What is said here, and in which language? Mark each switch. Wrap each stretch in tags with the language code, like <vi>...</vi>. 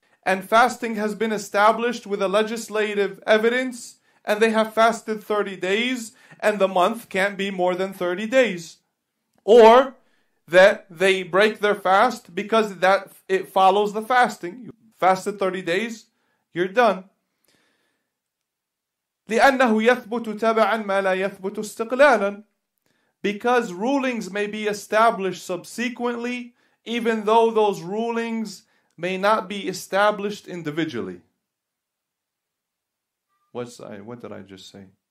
<en>And fasting has been established with a legislative evidence, and they have fasted 30 days, and the month can't be more than 30 days. Or that they break their fast because that it follows the fasting. You fasted 30 days, you're done.</en> <ar>لأنه يثبت تبعا ما لا يثبت استقلالا.</ar> <en>Because rulings may be established subsequently, even though those rulings may not be established individually. What did I just say?</en>